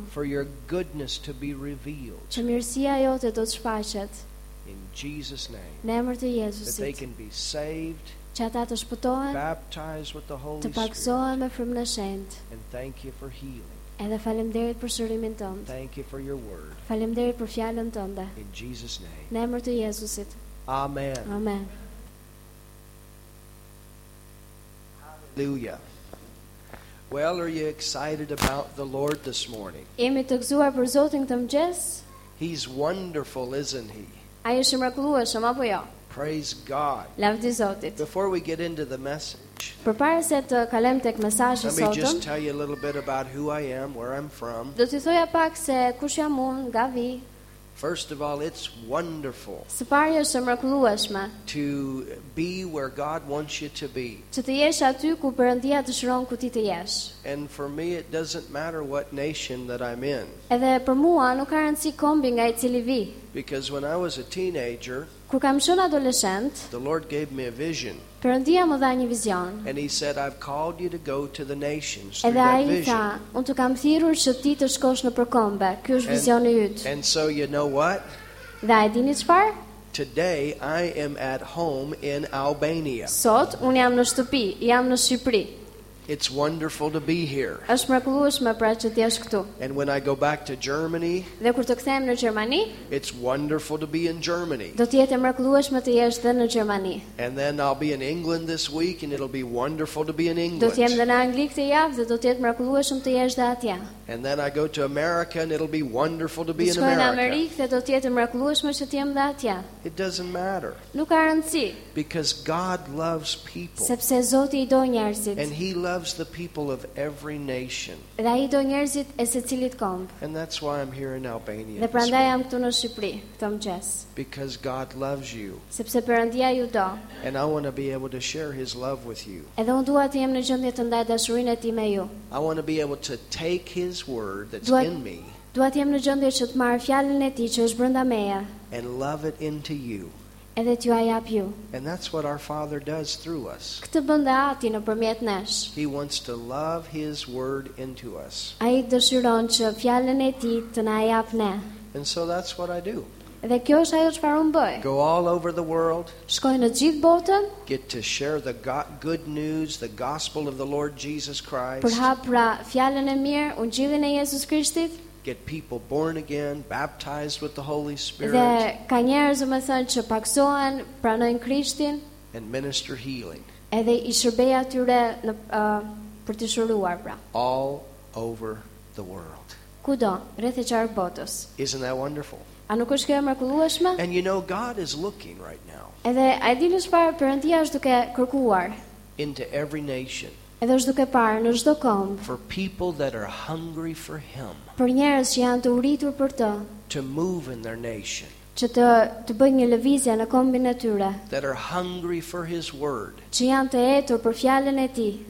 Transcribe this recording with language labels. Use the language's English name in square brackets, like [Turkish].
[English] For your goodness to be revealed. [Albanian] Që mirësia jote do të shfaqet. [English] In Jesus' name. [Albanian] Në emër të Jezusit. [English] That they can be saved. [Albanian] Që ata të shpëtohen. [English] Baptized with the Holy Spirit. [Albanian] Të pagzohen me frymën e shenjtë. [English] And thank you for healing. [Albanian] Edhe faleminderit për shërimin tënd. [English] Thank you for your word. [Albanian] Faleminderit për fjalën tënde. [English] In Jesus' name. [Albanian] Në emër të Jezusit. [English] Amen. [Albanian] Amen. [English] Hallelujah. Well, are you excited about the Lord this morning? [Albanian] Jemi të gëzuar për Zotin këtë mëngjes? [English] He's wonderful, isn't he? [Albanian] Ai është mrekullueshëm apo jo? [English] Praise God. [Albanian] Lavdi Zotit. [English] Before we get into the message. [Albanian] Përpara se të kalem tek mesazhi sotëm, [English] let me just tell you a little bit about who I am, where I'm from. [Albanian] Do t'ju thoja pak se kush jam unë, nga vi. [English] First of all, it's wonderful. [Albanian] Së pari është mrekullueshme. [English] To be where God wants you to be. [Albanian] Që të jesh aty ku Perëndia dëshiron ku ti të jesh. [English] And for me it doesn't matter what nation that I'm in. [Albanian] Edhe për mua nuk ka rëndësi kombi nga i cili vi. [English] Because when I was a teenager, [Albanian] kur kam qenë adoleshent, [English] the Lord gave me a vision. [Albanian] Perëndia më dha një vizion. [English] And he said I've called you to go to the nations. [Albanian] Edhe ai tha, unë të kam thirrur që ti të shkosh në përkombe. Ky është vizioni yt. [English] And so you know what? [Albanian] Dhe ai dini çfarë? [English] Today I am at home in Albania. [Albanian] Sot unë jam në shtëpi, jam në Shqipëri. [English] It's wonderful to be here. [Albanian] Është mrekullueshme pra që ti jesh këtu. [English] And when I go back to Germany? [Albanian] Dhe kur të kthehem në Gjermani? [English] It's wonderful to be in Germany. [Albanian] Do të jetë mrekullueshme të jesh edhe në Gjermani. [English] And then I'll be in England this week and it'll be wonderful to be in England. [Albanian] Do të jem në Angli këtë javë dhe do të jetë mrekullueshëm të jesh edhe atje. [English] And then I go to America and it'll be wonderful to be in America. [Albanian] Në Amerikë dhe do të jetë mrekullueshme që të jem edhe atje. [English] It doesn't matter. [Albanian] Nuk ka rëndësi. [English] Because God loves people. [Albanian] Sepse Zoti i do njerëzit. [English] And he loves the people of every nation. [Albanian] Dhe ai do njerëzit e secilit komb. [English] And that's why I'm here in Albania. [Albanian] Dhe prandaj jam këtu në Shqipëri, këtë mëngjes. [English] Because God loves you. [Albanian] Sepse Perëndia ju do. [English] And I want to be able to share his love with you. [Albanian] Edhe unë dua të jem në gjendje të ndaj dashurinë e tij me ju. [English] I want to be able to take his word that's in me. [Albanian] Dua të jem në gjendje që të marr fjalën e tij që është brenda meje. [English] And love it into you. [Albanian] edhe t'ju a jap ju. [English] And that's what our Father does through us. [Albanian] Këtë bën dhe Ati nëpërmjet nesh. [English] He wants to love His Word into us. [Albanian] Ai dëshiron që fjalën e Tij të na jap ne. [English] And so that's what I do. [Albanian] Dhe kjo është ajo çfarë unë bëj. [English] Go all over the world. [Albanian] Shkoj në gjithë botën. [English] Get to share the good news, the gospel of the Lord Jesus Christ. [Albanian] Përhap pra fjalën e mirë, Ungjillin e Jezus Krishtit. [English] Get people born again, baptized with the Holy Spirit. [Albanian] Dhe ka njerëz që më thonë që paksohen, pranojnë Krishtin. [English] And minister healing. [Albanian] Edhe I shërbej atyre në për të shëruar pra. [English] All over the world. [Albanian] Kudo, rreth e qarë botës. [English] Isn't that wonderful? [Albanian] A nuk është kjo e mrekullueshme? [English] And you know God is looking right now. [Albanian] Edhe a dini çfarë Perëndia është duke kërkuar? [English] Into every nation. [Albanian] Edhe është duke parë në çdo kom. [English] For people that are hungry for him. [Albanian] Për njerëz që janë të uritur për të. [English] To move in their nation. [Albanian] Që të bëjnë një lëvizje në kombin e tyre. [English] That are hungry for his word. [Albanian] Që janë të etur për fjalën e tij.